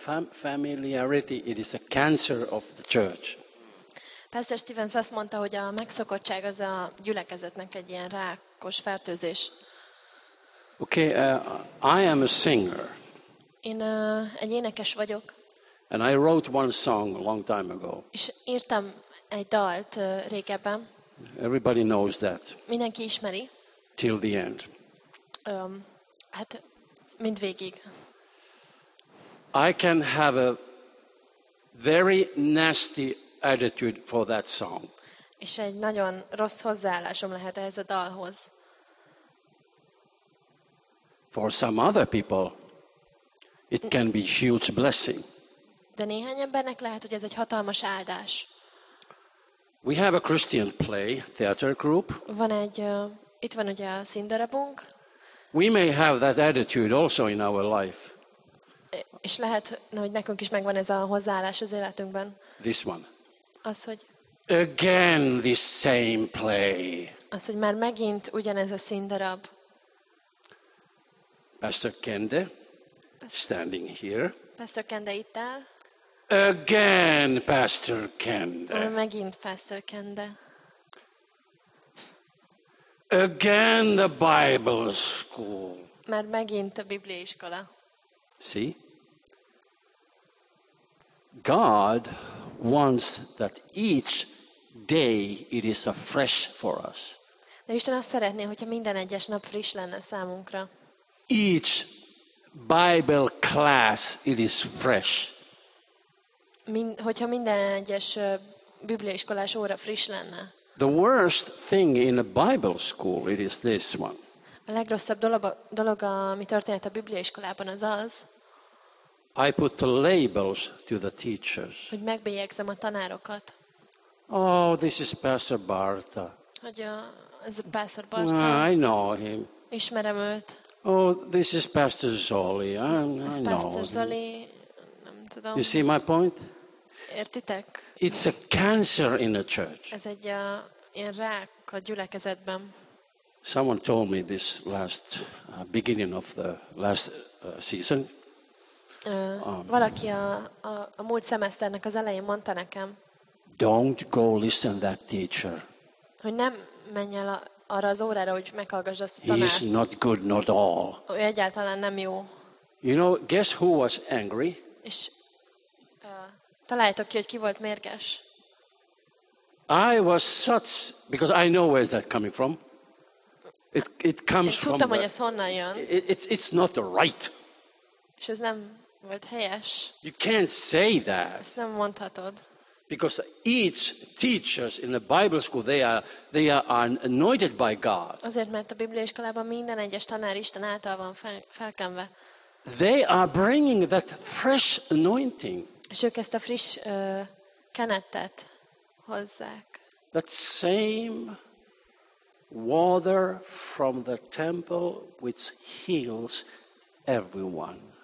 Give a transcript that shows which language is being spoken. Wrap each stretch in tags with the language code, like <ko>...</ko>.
<en>Familiarity, it is a cancer of the church.</en> <hu>Pastor Stephen azt mondta, hogy a megszokottság az a gyülekezetnek egy ilyen rákos fertőzés.</hu> <en>Okay, I am a singer.</en> <hu>Én egy énekes vagyok.</hu> <en>And I wrote one song a long time ago.</en> <hu>És írtam egy dalt régebben.</hu> <en>Everybody knows that.</en> <hu>Mindenki ismeri.</hu> <en>Till the end.</en> <hu>Hát mindvégig.</hu> <en>I can have a very nasty attitude for that song.</en> <hu>És egy nagyon rossz hozzáállásom lehet ehhez a dalhoz.</hu> <en>For some other people, it can be huge blessing.</en> <hu>De néhány embernek lehet, hogy ez egy hatalmas áldás.</hu> <en>We have a Christian play theater group.</en> <hu>Van egy itt van ugye a színdarabunk.</hu> <en>We may have that attitude also in our life.</en> <hu>És lehet, hogy nekünk is megvan ez a hozzáállás az életünkben.</hu> <en>This one.</en> <hu>Az, hogy</hu> <en>again the same play.</en> <hu>Az, hogy már megint ugyanez a színdarab.</hu> <en>Pastor Kende standing here.</en> <hu>Pastor Kende itt áll.</hu> <en>Again, Pastor Kende.</en> <hu>Or megint Pastor Kende.</hu> <en>Again, the Bible school.</en> <hu>Mert megint a bibliai iskola.</hu> <en>See? God wants that each day it is a fresh for us.</en> <hu>De Isten azt szeretné, hogyha minden egyes nap friss lenne számunkra.</hu> <en>Each Bible class it is fresh.</en> <hu>Hogyha minden egyes bibliai iskolás óra friss lenne.</hu> <en>The worst thing in a Bible school it is this one.</en> <hu>A legrosszabb dolog, ami történt a bibliai iskolában, az az.</hu> <en>I put the labels to the teachers.</en> <hu>Hogy megbélyegzem a tanárokat.</hu> <en>Oh, this is Pastor Bartha.</en> <hu>Hogy ez a Pastor Bartha.</hu> <en>I know him.</en> <hu>Ismerem őt.</hu> <en>Oh, this is Pastor Zoli.</en> <hu>Pastor Zoli. Nem tudom.</hu> <en>You see my point?</en> <hu>Értitek?</hu> <en>It's a cancer in a church.</en> <hu>Ez egy ilyen rák a gyülekezetben.</hu> <en>Someone told me this last beginning of the last season.</en> <hu>Valaki a múlt szemeszternek az elején mondta nekem.</hu> <en>Don't go listen that teacher.</en> <hu>Hogy nem menj el arra az órára, hogy meghallgass azt a tanárt.</hu> <en>He is not good, not all.</en> <hu>Ő egyáltalán nem jó.</hu> <en>You know, guess who was angry?</en> <hu>És találjátok ki, hogy ki volt mérges.</hu> <en>I was such, because I know where is that coming from. It comes</en> <hu>tudtam,</hu> <en>from.</en> <hu>Tudtam, hogy ez honnan jön.</hu> <en>It's not right.</en> <hu>És ez nem volt helyes.</hu> <en>You can't say that.</en> <hu>Ezt nem mondhatod.</hu> <en>Because each teachers in the Bible school they are anointed by God.</en> <hu>Azért, mert a bibliai iskolában minden egyes tanár Isten által van felkenve.</hu> <en>They are bringing that fresh anointing.</en> <hu>És ők ezt a friss kenetet hozzák.</hu> <en>That same water from the temple which heals everyone.</en>